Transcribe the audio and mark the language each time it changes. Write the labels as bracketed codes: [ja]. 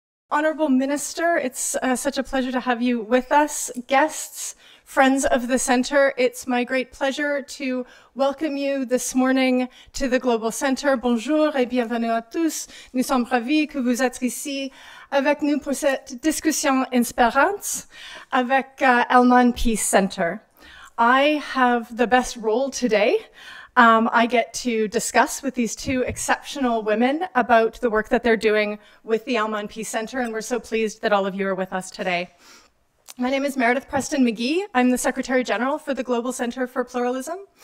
[en] Honorable Minister, it's such a pleasure to have you with us. Guests, friends of the Center, it's my great pleasure to welcome you this morning to the Global Center. [fr] Bonjour et bienvenue à tous. Nous sommes ravis que vous êtes ici avec nous pour cette discussion inspirante avec Elman Peace Center. [en] I have the best role today. I get to discuss with these two exceptional women about the work that they're doing with the Elman Peace Center, and we're so pleased that all of you are with us today. My name is Meredith Preston McGee. I'm the Secretary General for the Global Center for Pluralism.